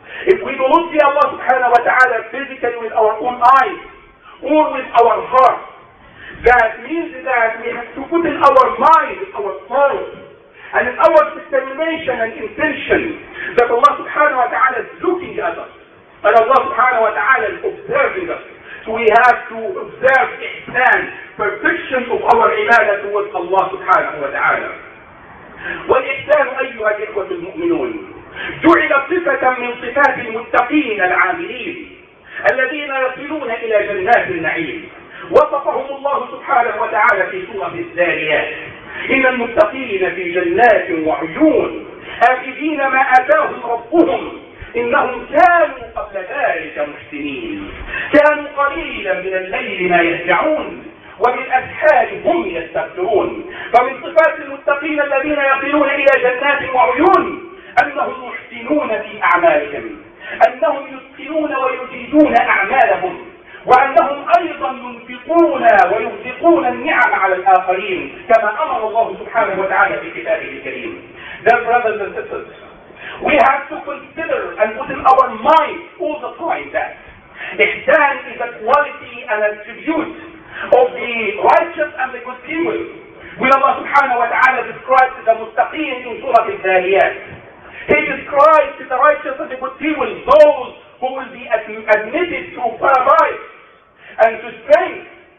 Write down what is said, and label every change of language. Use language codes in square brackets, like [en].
[en] If we do not see Allah subhanahu wa ta'ala physically with our own eyes or with our heart, that means that we have to put in our mind, in our thoughts, and in our determination and intention that Allah subhanahu wa ta'ala is looking at us, and Allah subhanahu wa ta'ala is observing us. So we have to observe Ihsan, perfection of our ibadah towards Allah subhanahu wa ta'ala. [ar] والإحسان أيها الإخوة المؤمنون جعل صفة من صفات المتقين العاملين الذين يصلون إلى جنات النعيم. وصفهم الله سبحانه وتعالى في سورة الزاريات: إن المتقين في جنات وعيون آخذين ما آتاهم ربهم إنهم كانوا قبل ذلك محسنين، كانوا قليلا من الليل ما يهجعون وبالأسحار هم يستغفرون. فمن صفات المتقين الذين يصلون إلى جنات وعيون أنهم محسنون في أعمالهم، أنهم يتقنون ويجيدون أعمالهم، وأنهم أيضا ينفقون وينفقون النعم على الآخرين كما أمر الله سبحانه وتعالى في كتابه الكريم. [en] Dear brothers and sisters, we have to consider and put in our mind all the time that Ihsan is a quality and attribute of the righteous and the good people. When Allah subhanahu wa ta'ala describes the mustaqeen in Surah Al-Zariyat, He describes the righteous and the good people, those who will be admitted to paradise and to strength.